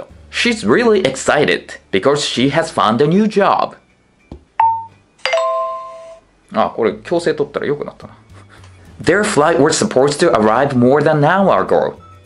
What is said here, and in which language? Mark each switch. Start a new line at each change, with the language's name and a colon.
English: She's really excited because she has found a new job.
Japanese: ああ、これ強制取ったら良くなったな。
English: Their flight was supposed to arrive more than an hour ago.